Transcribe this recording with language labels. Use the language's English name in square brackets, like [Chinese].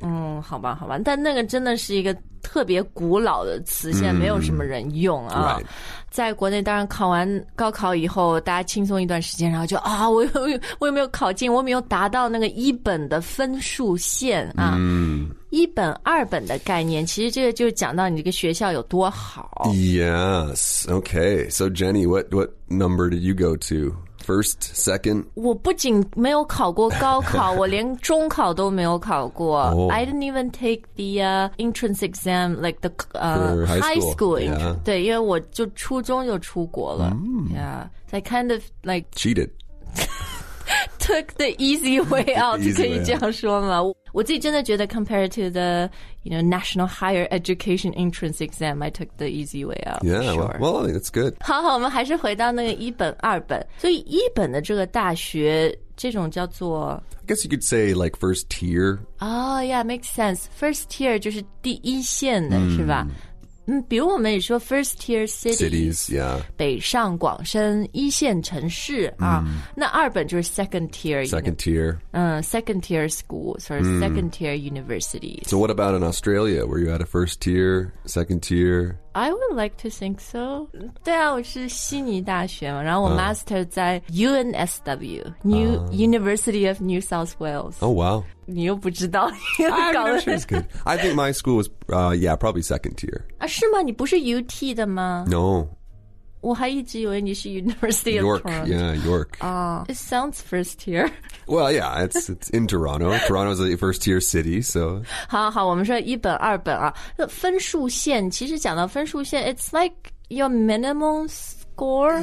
[Chinese] 嗯，好吧好吧但那个真的是一个特别古老的词现在没有什么人用啊、 [English] mm, right. [Chinese] 在国内当然考完高考以后大家轻松一段时间然后就啊我有没有考进我有没有达到那个一本的分数线啊、 mm. 一本二本的概念其实这个就讲到你这个学校有多好 [English] Yes, okay, so Jenny, what number did you go to? First, second? [Chinese] 我不仅没有考过高考我连中考都没有考过、 oh. [English] I didn't even take the、entrance exam like the、 high school、yeah. [Chinese] 对因为我就初中就出国了、 mm. [English] Yeah, I kind of like Cheated Took the easy way out easy [Chinese] 可以这样说吗我自己真的觉得 [English] compared to the you know, National Higher Education Entrance Exam, I took the easy way out. Yeah,、 sure. well, that's good. [Chinese] 好好我们还是回到那个一本二本。所以一本的这个大学这种叫做 [English] I guess you could say like first tier. Oh, yeah, makes sense. [Chinese] First tier 就是第一线的、mm. 是吧嗯，比如我们也说 first tier [English] cities yeah. [Chinese] 北上广深一线城市、mm. 啊，那二本就是 second tier [English] second tier 嗯 second tier schools or、mm. second tier universities So what about in Australia? Were you at a first tier, second tier? I would like to think so [Chinese] 对啊我是悉尼大学嘛然后我 master 在 UNSW New、University of New South Wales [English] Oh wow [Chinese] 你又不知道 [English] I'm not sure it's good I think my school was、yeah probably second tier [Chinese] 啊是吗你不是 UT 的吗 [English] No [Chinese] 我还一直以为你是 University of [English] York, Toronto Yeah York、 It sounds first tier Well yeah it's in Toronto Toronto is a first tier city so [Chinese] 好好我们说一本二本啊分数线其实讲到分数线 [English] It's like your minimum score